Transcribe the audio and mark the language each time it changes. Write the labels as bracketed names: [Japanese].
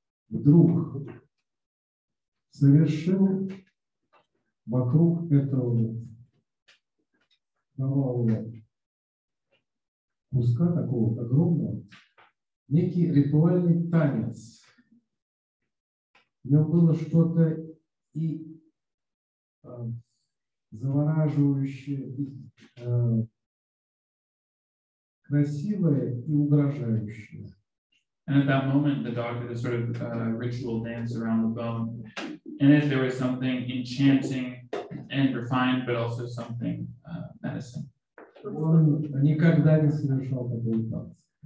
[Russian] Вдруг совершил вокруг этого нового куска такого огромного некий ритуальный танец. У него было что-то и завораживающее, и красивое, и угрожающее. [English] And at that moment, the dog did a sort of ritual dance around the bone. And if there was something enchanting and refined, but also something menacing. [Russian] Он никогда не совершал такой танец.